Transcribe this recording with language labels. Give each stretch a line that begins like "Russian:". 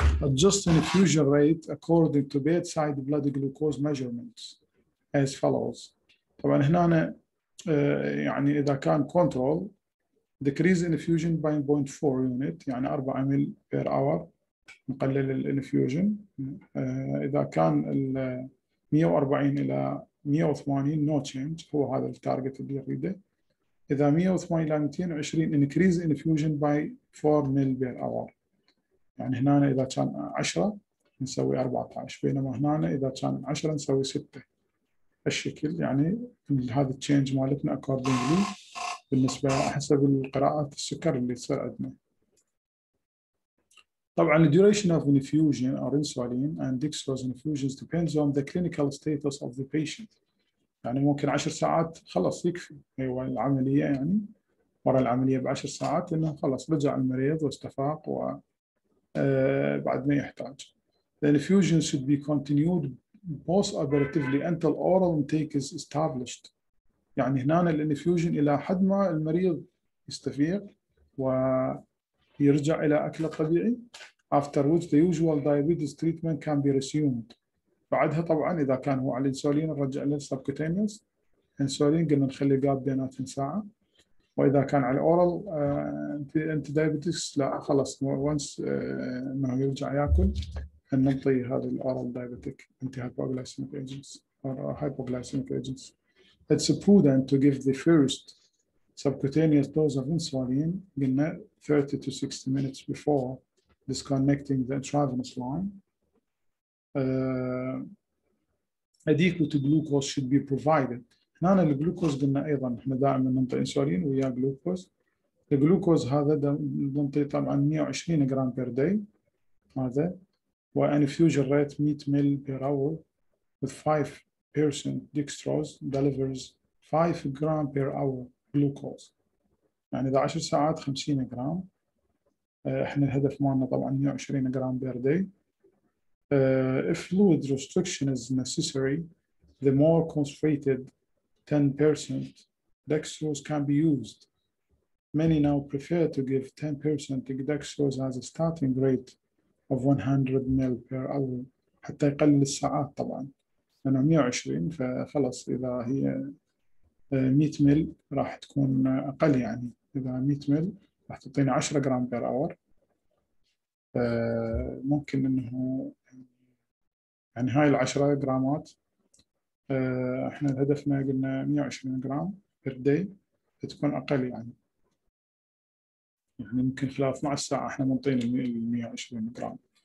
English: Adjust infusion rate according to bedside blood glucose measurements as follows.
Arabic: طبعا هنا يعني اذا كان control
English: decrease infusion by 0.4 unit
Arabic: يعني 4 ml per hour نقلل الانفيوجن، اذا كان ال 140 الى 180 نو تشينج هو هذا التارجت اللي نريده، اذا 180 الى 220 انكريز انفيوجن باي 4 مل بير اور، يعني هنا اذا كان 10 نسوي 14 بينما هنا اذا كان 10 نسوي 6 الشكل، يعني هذا التشينج مالتنا اكوردنجلي بالنسبه حسب القراءات السكر اللي تصير عندنا.
English: طبعا the duration of infusion or insulin and dextrose infusions depends on the clinical status of the patient.
Arabic: يعني ممكن 10 ساعات خلص يكفي، أيوة العملية يعني ورا العملية بعشر ساعات إنه خلص رجع المريض واستفاق و بعد ما يحتاج.
English: The infusion should be continued postoperatively until oral intake is established.
Arabic: يعني هنا الانفيوجن إلى حد ما المريض يستفيق و يرجع إلى أكله الطبيعي.
English: After which the usual diabetes treatment can be resumed.
Arabic: بعدها طبعا إذا كان هو على الإنسولين نرجع له subcutaneous. إنسولين قلنا نخلي gap بيناتهم ساعة. وإذا كان على الأورال أنت دايبتكس لا خلاص وانس أنه يرجع يأكل نعطي هذا الأورال دايبتك أنت هايبوغلايسيميك إيجنتس أو هايبوغلايسيميك إيجنتس.
English: It's a prudent to give the first subcutaneous dose of insulin in 30 to 60 minutes before disconnecting the intravenous line. Adequate glucose should be provided.
Arabic: هنا الجلوكوز قلنا ايضا احنا دائما ننطي انسولين ويا جلوكوز. الجلوكوز هذا ننطي طبعا 120 جرام بير داي هذا وانفيوجن ريت 100 مل بير اور
English: with 5% dextrose delivers
Arabic: 5 جرام بير اور جلوكوز. يعني اذا 10 ساعات 50 جرام. احنا الهدف مالنا طبعا 120 جرام بير داي.
English: If fluid restriction is necessary, the more concentrated 10% dextrose can be used. Many now prefer to give 10% dextrose as a starting rate of 100 ml per hour.
Arabic: حتى يقلل الساعات طبعا. أنا 120 فخلص إذا هي 100 ml راح تكون أقل يعني. إذا 100 ml راح تعطيني 10 جرام per hour. ممكن أنه يعني هاي العشرة جرامات احنا هدفنا قلنا 120 جرام per day تكون اقل يعني يعني ممكن خلال 12 ساعة احنا منطين 120 جرام.